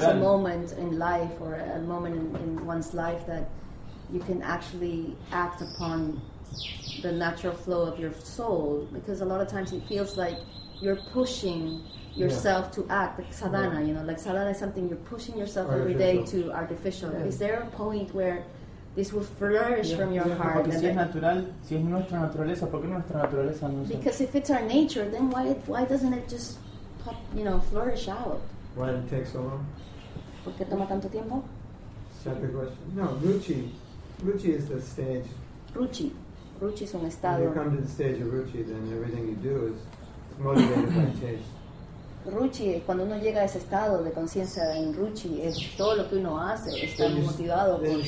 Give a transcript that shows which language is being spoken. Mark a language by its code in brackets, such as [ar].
[en] Comes a moment in life or a moment in one's life that you can actually act upon the natural flow of your soul, because a lot of times it feels like you're pushing yourself to act, like sadhana, you know, like sadhana is something you're pushing yourself artificial. Every day to artificial. Yeah. Is there a point where this will flourish from your heart? [es] Si es natural, si es nuestra naturaleza, ¿por qué nuestra naturaleza no? [en] Because if it's our nature, then why doesn't it just pop, you know, flourish out? Why it takes so long? [es] ¿Por qué toma tanto tiempo? [en] Sata question. No, ruchi. Ruchi is the stage. [es] Ruchi. Ruchi es un estado. [en] When you come to the stage of ruchi, then everything you do is motivated by taste. [es] Ruchi, cuando uno llega a ese estado de conciencia en ruchi, es todo lo que uno hace, está motivado.